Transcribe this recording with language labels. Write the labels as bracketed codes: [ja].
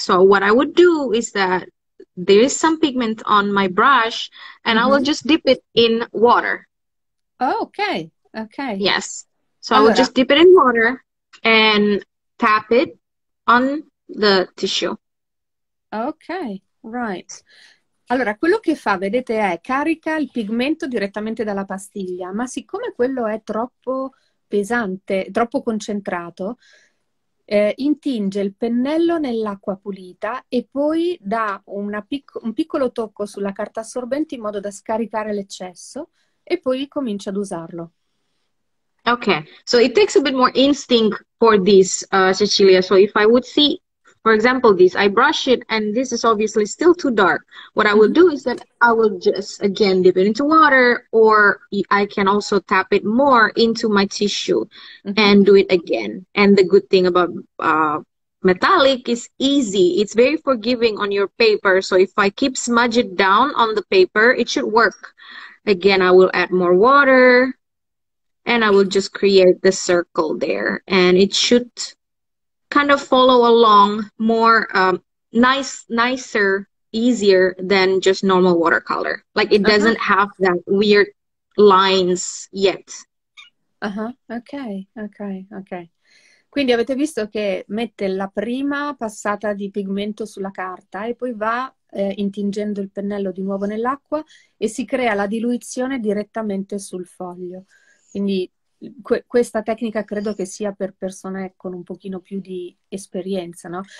[en] So what I would do is that there is some pigment on my brush and I will just dip it in water. Okay. Yes. So I will just dip it in water and tap it on the tissue. Okay, right. [it] Allora, quello che fa, vedete, è carica il pigmento direttamente dalla pastiglia, ma siccome quello è troppo pesante, troppo concentrato, intinge il pennello nell'acqua pulita e poi dà un piccolo tocco sulla carta assorbente in modo da scaricare l'eccesso e poi comincia ad usarlo. [en] Okay, so it takes a bit more instinct for this, Cecilia. So if I would see, for example, this, I brush it and this is obviously still too dark. What I will do is that I will just again dip it into water, or I can also tap it more into my tissue and do it again. And the good thing about metallic is easy. It's very forgiving on your paper. So if I keep smudge it down on the paper, it should work. Again, I will add more water. And I will just create the circle there, and it should kind of follow along more nicer, easier than just normal watercolor. Like it doesn't have that weird lines yet. Ok. [it] Quindi avete visto che mette la prima passata di pigmento sulla carta e poi va intingendo il pennello di nuovo nell'acqua e si crea la diluizione direttamente sul foglio. Quindi questa tecnica credo che sia per persone con un pochino più di esperienza, no?